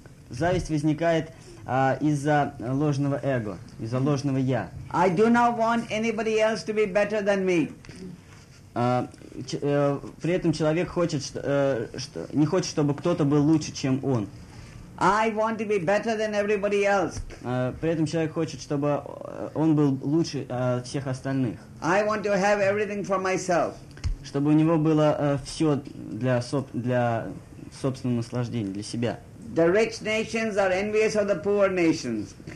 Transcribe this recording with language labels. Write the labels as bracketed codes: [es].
[ru] Зависть возникает из-за ложного эго, из-за ложного я. [en] I do not want anybody else to be better than me. [ru] При этом человек хочет, не хочет, чтобы кто-то был лучше, чем он. [en] I want to be better than everybody else. [ru] При этом человек хочет, чтобы он был лучше всех остальных. [en] I want to have everything for myself. [ru] Чтобы у него было все для собственного наслаждения, для себя. [en] The rich nations are envious of the poor nations.